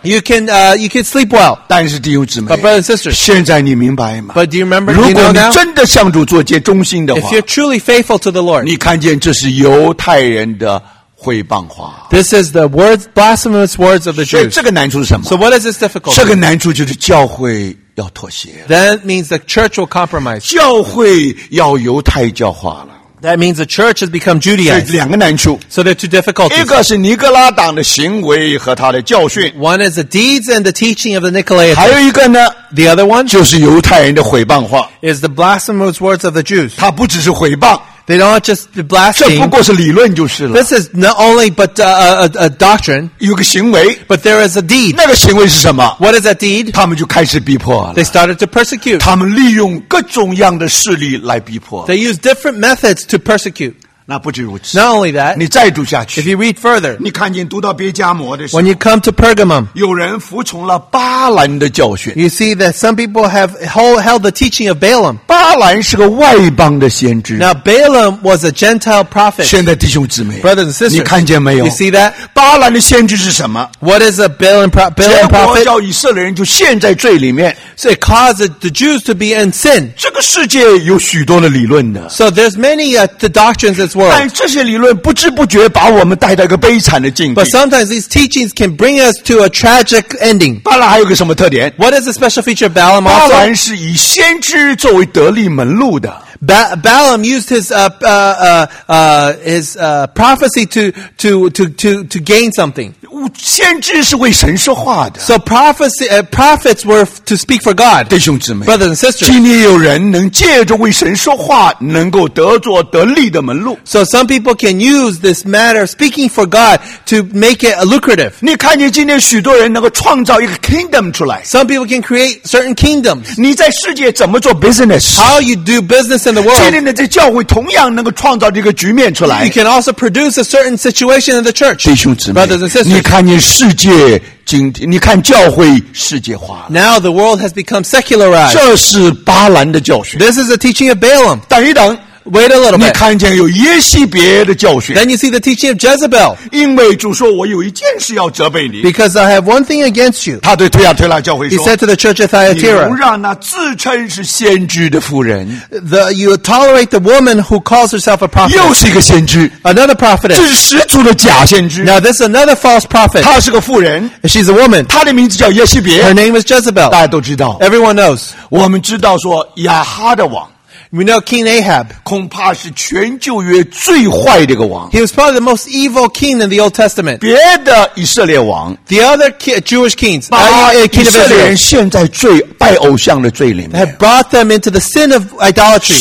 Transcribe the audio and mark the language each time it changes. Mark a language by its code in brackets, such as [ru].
[en] you can sleep well. [zh] 但是弟兄姊妹, [en] but brothers and sisters, [zh] 现在你明白吗? [en] But do you remember? [zh] 如果你真的向主做些忠心的话, [en] if you're truly faithful to the Lord, [zh] 你看见这是犹太人的, [en] this is the words, blasphemous words of the Jews. [zh] 这个难处是什么? [en] So what is this difficulty? [zh] 这个难处就是教会要妥协了。 [en] That means the church will compromise. [zh] 教会要犹太教化了。 [en] That means the church has become Judaized. [zh] 对,两个难处。 [en] So there are two difficulties. [zh] 一个是尼格拉党的行为和他的教训。 [en] One is the deeds and the teaching of the Nicolaitans. [zh] 还有一个呢, [en] the other one, [zh] 就是犹太人的毁谤话。 [en] Is the blasphemous words of the Jews. [zh] 他不只是毁谤。 [en] They don't just blaspheme. This is not only but a doctrine. [zh] 有个行为, [en] but there is a deed. [zh] 那个行为是什么? [en] What is that deed? [zh] 他们就开始逼迫了。 [en] They started to persecute. [zh] 他们利用各种样的势力来逼迫了。 [en] They use different methods to persecute. [zh] 那不止如此, [en] not only that, [zh] 你再读下去, [en] if you read further, [zh] 你看见读到别加摩的时候, [en] when you come to Pergamum, [zh] 有人服从了巴兰的教训, [en] you see that some people have held the teaching of Balaam. [zh] 巴兰是个外邦的先知, [en] now Balaam was a Gentile prophet. [zh] 现在弟兄姊妹, [en] brothers and sisters, [zh] 你看见没有? [en] You see that? [zh] 巴兰的先知是什么? [en] What is a Balaam prophet? [zh] 结果叫以色列人就陷在罪里面, [en] so it caused the Jews to be in sin. [zh] 这个世界有许多的理论的, [en] so there's many the doctrines that, but sometimes these teachings can bring us to a tragic ending. [zh] 巴兰还有个什么特点? [en] What is the special feature of Balaam also? [zh] 巴兰是以先知作为得利门路的。 [en] Balaam used his prophecy to gain something. [zh] 先知是为神说话的。 [en] So prophecy, prophets were to speak for God. [zh] 弟兄姊妹 [en] brothers and sisters, [zh] 今天有人能借着为神说话，能够得做得利的门路。 [en] So some people can use this matter of speaking for God to make it lucrative. [zh] 你看见今天许多人能够创造一个 kingdom 出来。 [en] Some people can create certain kingdoms. [zh] 你在世界怎么做 business? [en] How you do business in the world? [zh] 今天你在教会同样能够创造这个局面出来。 [en] You can also produce a certain situation in the church. [zh] 弟兄姊妹 [en] brothers and sisters. [zh] 你看见世界今天，你看教会世界化。 [en] Now the world has become secularized. [zh] 这是巴兰的教训。 [en] This is the teaching of Balaam. [zh] 等一等。 [en] Wait a little bit. [zh] 你看见有耶西别的教训。 [en] Then you see the teaching of Jezebel. [zh] 因为主说我有一件事要责备你。 [en] Because I have one thing against you. [zh] 他对推亚推拉教会说。 [en] He said to the church of Thyatira. [zh] 你容让那自称是先知的妇人。 [en] You tolerate the woman who calls herself a prophet. [zh] 又是一个先知。 [en] Another prophet. [zh] 这是十足的假先知。 [en] Now this is another false prophet. [zh] 她是个妇人。 [en] She's a woman. [zh] 她的名字叫耶西别。 [en] Her name is Jezebel. [zh] 大家都知道。 [en] Everyone knows. [zh] 我们知道说亚哈的王。 [en] We know King Ahab. [zh] 恐怕是全旧约最坏的一个王。 [en] He was probably the most evil king in the Old Testament. [zh] 别的以色列王。 [en] The other Jewish kings. [zh] 把以色列人陷在罪拜偶像的罪里面。 [en] Had brought them into the sin of idolatry.